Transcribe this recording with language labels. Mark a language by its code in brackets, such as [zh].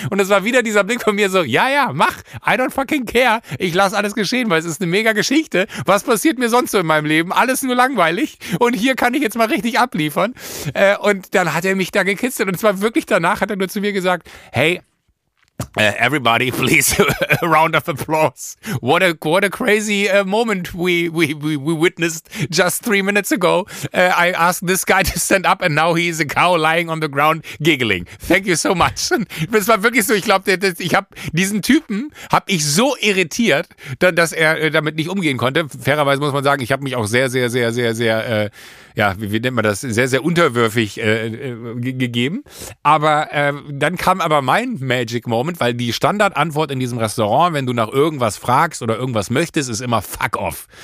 [de] Und es war wieder dieser Blick von mir so, ja, mach, [en] I don't fucking care, [de] ich lass alles geschehen, weil es ist eine mega Geschichte. Was passiert mir sonst so in meinem Leben? Alles nur langweilig und hier kann ich jetzt mal richtig abliefern. Und dann hat er mich da gekitzelt und zwar wirklich danach hat er nur zu mir gesagt, [en] hey, everybody, please, a round of applause. What a crazy moment we witnessed just 3 minutes ago. I asked this guy to stand up and now he is a cow lying on the ground giggling. Thank you so much. [de] Und es war wirklich so, ich glaube, ich habe diesen Typen, habe ich so irritiert, dass er damit nicht umgehen konnte. Fairerweise muss man sagen, ich habe mich auch sehr unterwürfig gegeben. Aber dann kam aber mein Magic Moment, weil die Standardantwort in diesem Restaurant, wenn du nach irgendwas fragst oder irgendwas möchtest, ist immer fuck off.